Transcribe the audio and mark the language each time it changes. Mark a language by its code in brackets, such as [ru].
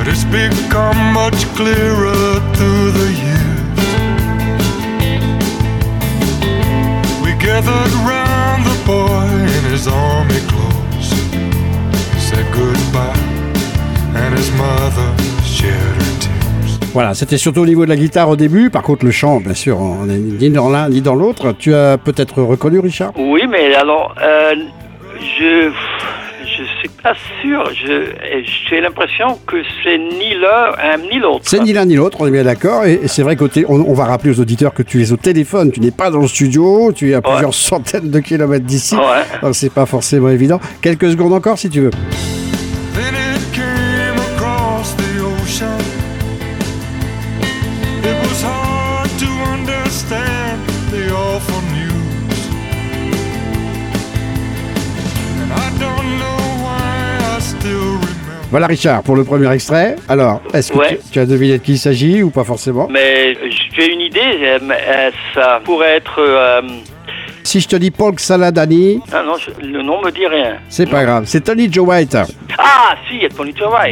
[en] Become much clearer through the years. We gathered round the boy in his army clothes, said goodbye, and his mother shared her tears. [fr] Voilà, c'était surtout au niveau de la guitare au début. Par contre, le chant, bien sûr, on n'est ni dans l'un ni dans l'autre. Tu as peut-être reconnu, Richard? Oui, mais alors, je suis pas sûr. J'ai l'impression que c'est ni l'un ni l'autre. C'est ni l'un ni l'autre, on est bien d'accord. Et c'est vrai qu'on va rappeler aux auditeurs que tu es au téléphone, tu n'es pas dans le studio, tu es à plusieurs centaines de kilomètres d'ici. Ouais. Donc c'est pas forcément évident. Quelques secondes encore si tu veux. [en] Then it came across the ocean. It was hard to understand the awful news. And I don't know why I still. [fr] Voilà Richard, pour le premier extrait. Alors, est-ce que tu as deviné de qui il s'agit ou pas forcément? Mais j'ai une idée, mais ça pourrait être... Si je te dis Polk Saladani... Ah non, le nom ne me dit rien. C'est pas grave, c'est Tony Joe White. Ah si, Tony Joe White.